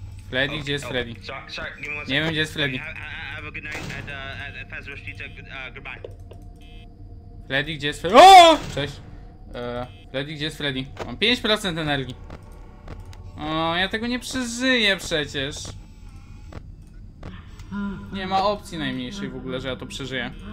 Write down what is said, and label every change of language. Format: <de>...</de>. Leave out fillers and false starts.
<pl>Freddy, gdzie jest Freddy?</pl> <en>Sorry, give me one</en> <pl>nie wiem, gdzie jest Freddy.</pl> <en>Have a good night at Fazbear's Pizza. Goodbye.</en> <pl>Freddy, gdzie jest Freddy? Oooo! Cześć. Freddy, gdzie jest Freddy? Mam 5% energii. O, ja tego nie przeżyję przecież. Nie ma opcji najmniejszej w ogóle, że ja to przeżyję.</pl>